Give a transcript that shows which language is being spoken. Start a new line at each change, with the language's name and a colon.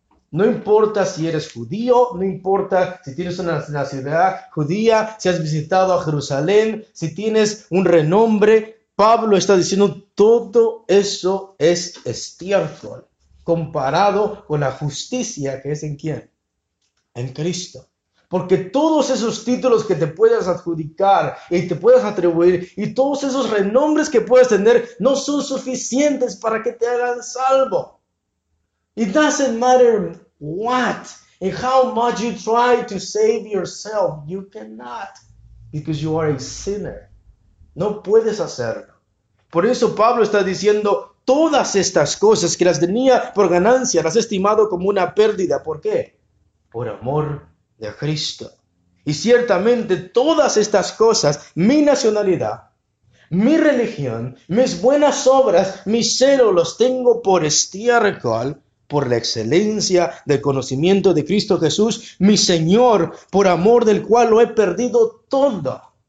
Spanish: No importa si eres judío, no importa si tienes una nacionalidad judía, si has visitado a Jerusalén, si tienes un renombre, Pablo está diciendo todo eso es estiércol comparado con la justicia que es en quién, en Cristo. Porque todos esos títulos que te puedes adjudicar y te puedes atribuir y todos esos renombres que puedes tener no son suficientes para que te hagan salvo.
English: It doesn't matter what and how much you try to save yourself, you cannot because you are a sinner.
Spanish: No puedes hacerlo. Por eso Pablo está diciendo todas estas cosas que las tenía por ganancia, las he estimado como una pérdida. ¿Por qué? Por amor de Cristo. Y ciertamente todas estas cosas, mi nacionalidad, mi religión, mis buenas obras, mi celo, los tengo por estiércol, por la excelencia del conocimiento de Cristo Jesús, mi Señor, por amor del cual lo he perdido todo.